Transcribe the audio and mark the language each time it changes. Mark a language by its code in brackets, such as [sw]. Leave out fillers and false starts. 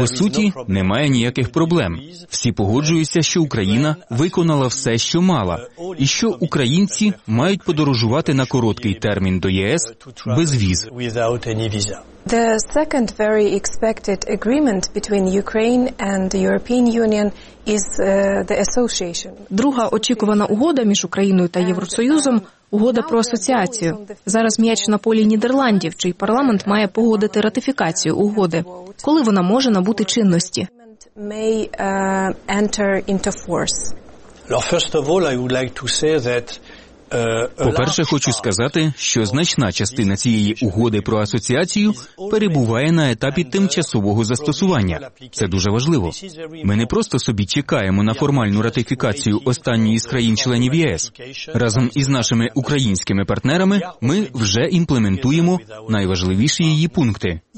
[uk] по суті, немає ніяких проблем. Всі погоджуються, що Україна виконала все, що мала, і що українці мають подорожувати на короткий термін до ЄС без віз. [en] The second very expected agreement between Ukraine and the European Union is the association. [uk] Друга очікувана угода між Україною та Євросоюзом – угода про асоціацію. Зараз м'яч на полі Нідерландів, чий парламент має погодити ратифікацію угоди. Коли вона може набути чинності? [en] May enter into force. Well, first of all, I would like to say that [uk] По-перше, хочу сказати, що значна частина цієї угоди про асоціацію перебуває на етапі тимчасового застосування. Це дуже важливо. Ми не просто собі чекаємо на формальну ратифікацію останньої з країн-членів ЄС. Разом із нашими українськими партнерами ми вже імплементуємо найважливіші її пункти.